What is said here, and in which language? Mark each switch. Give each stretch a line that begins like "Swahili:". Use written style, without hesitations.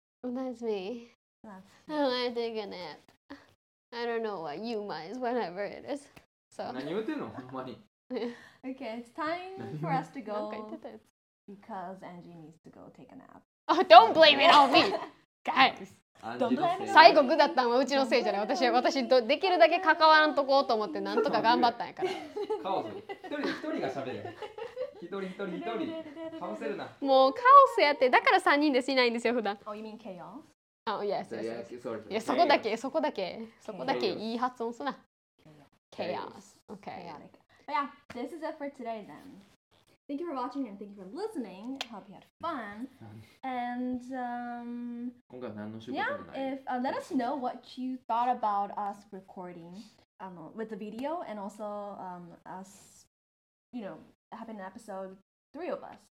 English: That's me. That's me. I wanna take a nap. I don't know what you mind, whatever it is. So. Okay, it's time for us to go because Angie needs to go take a nap. Oh, don't blame it on me, guys.
Japanese: 最後グだったんはうちのせいじゃない。私とできるだけ関わらんとこうと思ってなんとか頑張ったんやから。カオス。一人が喋る。一人。カオスるな。もうカオスやって、だから3人でしないんですよ普段。
English: Oh, you mean chaos? Oh, yes, yes, yes.
Japanese: Yeah, そこだけ、そこだけ、そこだけいい発音すな。
English: Chaos. Okay. But yeah, this is it for today then. Thank you for watching and thank you for listening. Hope you had fun. And,
Japanese: 今回何の仕事もない。
English: Yeah, let us know what you thought about us recording with the video and also us, you know, having an episode, three of us.